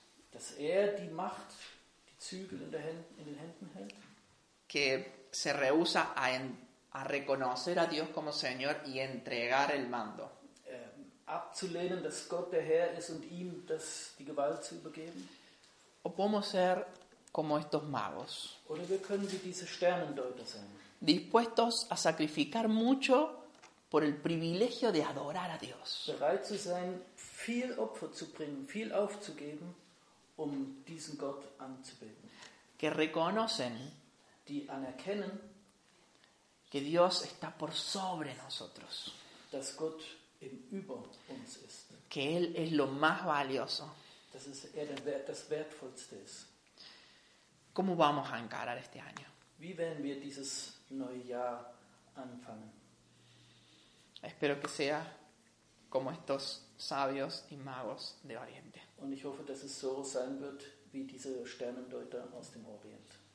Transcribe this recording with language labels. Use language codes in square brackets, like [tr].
[de] Dass er die Macht, die Zügel in den Händen hält. [es] Que se rehúsa a reconocer a Dios como Señor y entregar el mando. [de] Abzulehnen, dass Gott der Herr ist und ihm das, die Gewalt zu übergeben. [es] O podemos ser como estos magos. [de] Oder wir können wie diese Sternendeuter sein. [es] Dispuestos a sacrificar mucho por el privilegio de adorar a Dios. [de] Bereit zu sein, viel Opfer zu bringen, viel aufzugeben, um diesen Gott anzubeten. [es] Que reconocen, [de] die anerkennen, [es] que Dios está por sobre nosotros. [de] Dass Gott eben über uns ist. [es] Que Él es lo más valioso. [de] Dass es er das Wertvollste ist. [es] ¿Cómo vamos a encarar este año? [de] Wie werden wir dieses neue Jahr anfangen? [es] Espero que sea como estos sabios y magos de Oriente. [de] Und ich hoffe, dass es so sein wird, wie diese Sternendeuter aus dem Orient.